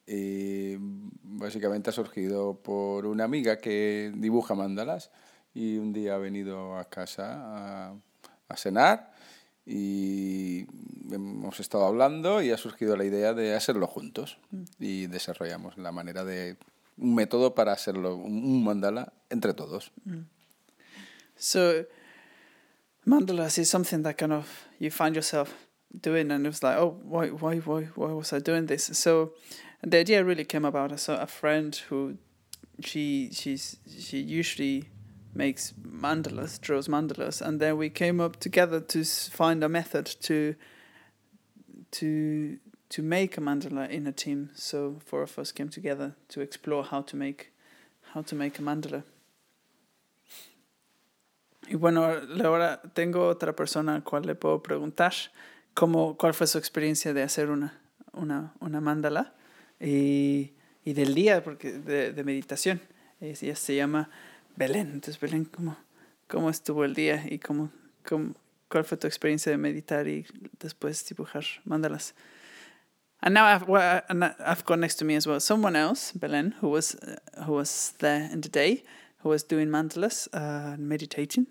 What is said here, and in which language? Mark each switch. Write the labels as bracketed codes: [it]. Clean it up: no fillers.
[es] Y básicamente ha surgido por una amiga que dibuja mandalas y un día ha venido a casa a cenar y hemos estado hablando y ha surgido la idea de hacerlo juntos y desarrollamos la manera de un método para hacerlo, un mandala entre todos. [en] So, mandalas is something that kind of you find yourself doing, and it was like, oh, why was I doing this? So, the idea really came about. I saw a friend who, she usually makes mandalas, draws mandalas, and then we came up together to find a method to make a mandala in a team. So four of us came together to explore how to make a mandala. [es] Y bueno, ahora tengo otra persona a cual le puedo preguntar cuál fue su experiencia de hacer una mandala y del día, porque de meditación. Ella se llama Belén. Entonces, Belén, ¿cómo estuvo el día y cuál fue tu experiencia de meditar y después dibujar mandalas? [en] And now I've got next to me as well someone else, Belén, who was there in the day, who was doing mandalas and meditating.